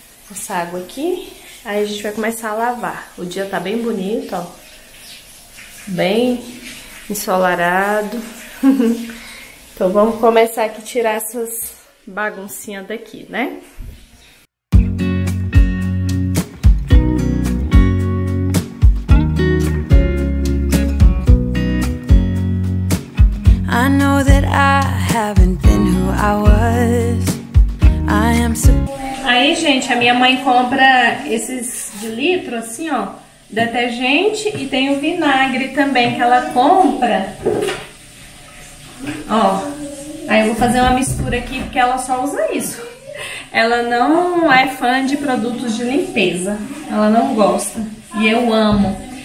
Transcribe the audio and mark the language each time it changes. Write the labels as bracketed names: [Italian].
[Portuguese] Essa água aqui. Aí a gente vai começar a lavar. O dia tá bem bonito, ó. Bem ensolarado. Então vamos começar aqui tirar essas baguncinhas daqui, né? [English] I know that I haven't been who I was. I am so. [Portuguese] Aí, gente, a minha mãe compra esses de litro, assim, ó. Detergente e tem o vinagre também que ela compra. Ó, aí eu vou fazer uma mistura aqui porque ela só usa isso. Ela não é fã de produtos de limpeza. Ela não gosta. E eu amo.